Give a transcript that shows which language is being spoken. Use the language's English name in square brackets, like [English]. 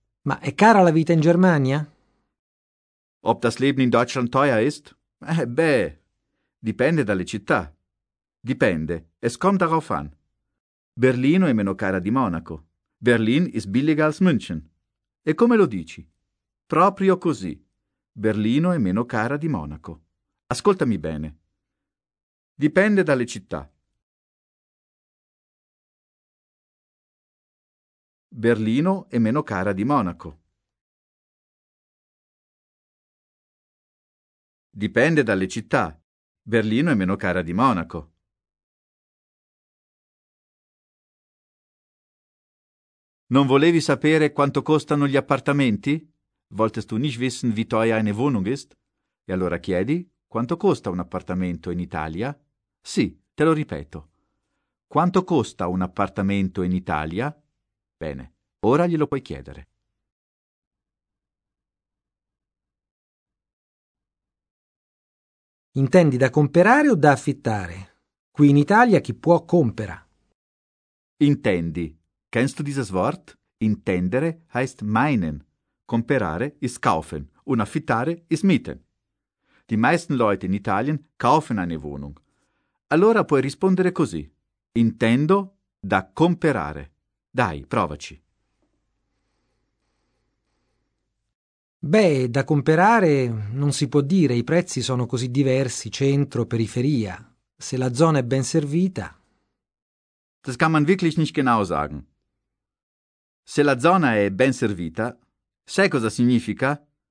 [Italian] Ma è cara la vita in Germania? [German] Ob das Leben in Deutschland teuer ist? [Italian] Beh, dipende dalle città. Dipende, [German] es kommt darauf an. [Italian] Berlino è meno cara di Monaco. [German] Berlin ist billiger als München. [Italian] E come lo dici? Proprio così. Berlino è meno cara di Monaco. Ascoltami bene. Dipende dalle città. Berlino è meno cara di Monaco. Dipende dalle città. Berlino è meno cara di Monaco. Non volevi sapere quanto costano gli appartamenti? [German] Wolltest du nicht wissen, wie teuer eine Wohnung ist? [Italian] E allora chiedi, quanto costa un appartamento in Italia? Sì, te lo ripeto. Quanto costa un appartamento in Italia? Bene, ora glielo puoi chiedere. Intendi da comprare o da affittare? Qui in Italia chi può compra. [German] Intendi. Kennst du dieses Wort? Intendere heißt meinen. Comperare ist kaufen und affittare ist mieten. Die meisten Leute in Italien kaufen eine Wohnung. [Italian] Allora puoi rispondere così. Intendo da comperare. Dai, provaci. Beh, da comperare non si può dire, i prezzi sono così diversi, centro, periferia. Se la zona è ben servita. [German] Das kann man wirklich nicht genau sagen. [Italian] Se la zona è ben servita, sai cosa significa?